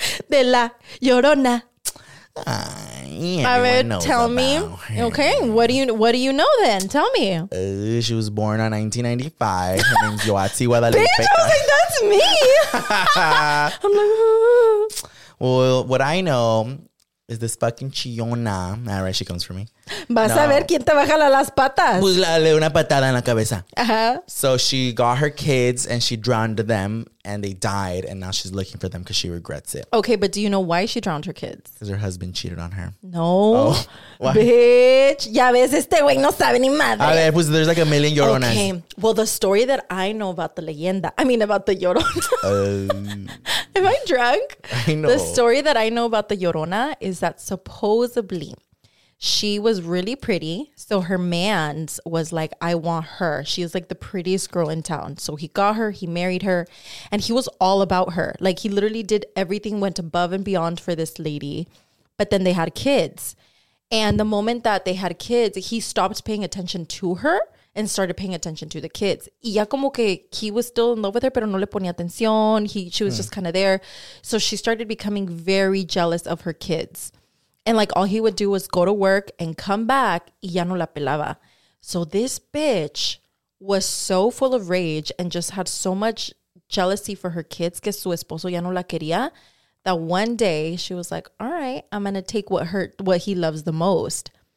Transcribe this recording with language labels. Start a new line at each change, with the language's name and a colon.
Spanish: De la llorona.
English: Okay. What do you know then? Tell me. She was born in 1995. Her name's Yoatsi Guadalupe. Bitch, I was like, that's me. I'm like, Well, what I know is this fucking Chiona. All right, she comes for me.
Spanish: Vas a ver quién te baja las patas. Pues dale una patada en la cabeza.
English: So she got her kids and she drowned them and they died. And now she's looking for them because she regrets it. Okay, but do you know why she drowned her kids? Because her husband cheated on her. No. Oh, why? Bitch.
Spanish: Ya ves, este güey no sabe ni madre. A ver, pues
English: there's like a million lloronas. Okay. Well, the story that I know about the leyenda, I mean about the llorona. Am I drunk? I know. The story that I know about the llorona is that supposedly she was really pretty, so her man was like, I want her. She is like the prettiest girl in town. So he got her, he married her, and he was all about her. Like, he literally did everything, went above and beyond for this lady. But then they had kids. And the moment that they had kids, he stopped paying attention to her and started paying attention to the kids.
Spanish: Y ya como que
English: he was still in love with her,
Spanish: pero no le ponía atención.
English: She was just kind of there. So she started becoming very jealous of her kids. And like, all he would do was go to work and come back,
Spanish: y ya no la pelaba.
English: So this bitch was so full of rage and just had so much jealousy for her kids
Spanish: que su esposo ya no la quería,
English: that one day she was like, all right, I'm going to take what he loves the most.